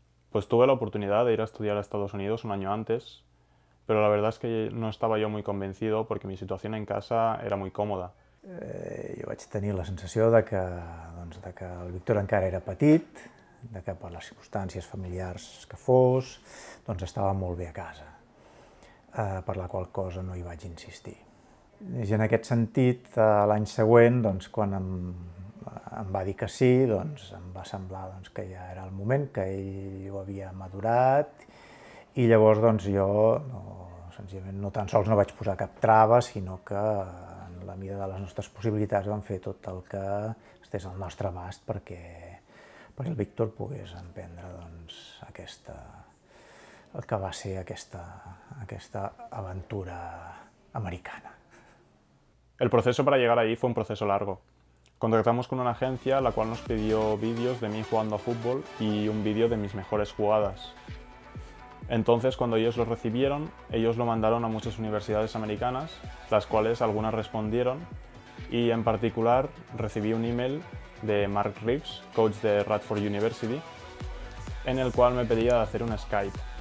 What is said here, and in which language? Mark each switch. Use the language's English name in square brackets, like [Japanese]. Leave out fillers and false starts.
[Spanish] Pues tuve la oportunidad de ir a estudiar a Estados Unidos un año antes, pero la verdad es que no estaba yo muy convencido porque mi situación en casa era muy cómoda. [Catalan] Jo vaig tenir la sensació de que, doncs, de que el Víctor encara era petit, de que per les circumstàncies familiars que fos, doncs estava molt bé a casa, per la qual cosa no hi vaig insistir. I en aquest sentit, l'any següent, doncs, quan em va dir que sí, doncs em va semblar doncs, que ja era el moment, que ell ho havia madurat, i llavors doncs, jo no, senzillament no tan sols no vaig posar cap trava, sinó que en la mida de les nostres possibilitats vam fer tot el que estés al nostre abast perquè el Víctor pogués emprendre doncs, aquesta aventura americana. [Spanish] El proceso para llegar allí fue un proceso largo. Contactamos con una agencia la cual nos pidió vídeos de mí jugando a fútbol y un vídeo de mis mejores jugadas. Entonces, cuando ellos lo recibieron, ellos lo mandaron a muchas universidades americanas, las cuales algunas respondieron, y en particular recibí un email de Mark Reeves, coach de Radford University, en el cual me pedía hacer un Skype.